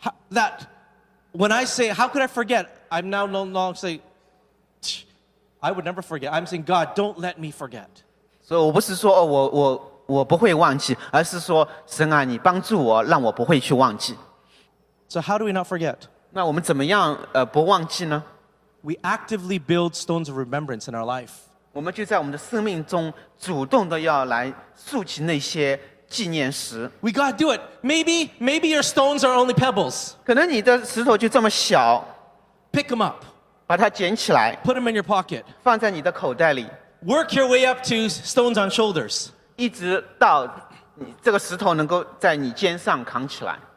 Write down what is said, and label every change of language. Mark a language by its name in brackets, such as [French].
[English] That when I say, how could I forget? I'm now no longer saying, I would never forget. I'm saying, God, don't let me forget. So [Chinese] 我不是说我不会忘记,而是说神啊,你帮助我,让我不会去忘记。 [English] So how do we not forget? [Chinese] 那我们怎么样不忘记呢? [English] we actively build stones of remembrance in our life. [Chinese] 我们就在我们的生命中主动地要来竖起那些纪念石。 [English] We got to do it. Maybe your stones are only pebbles. [Chinese] 可能你的石头就这么小。 [English] Pick them up. [Chinese] 把它捡起来。 [English] Put them in your pocket. [Chinese] 放在你的口袋里。 [English] Work your way up to stones on shoulders. [Chinese] 一直到这个石头能够在你肩上扛起来。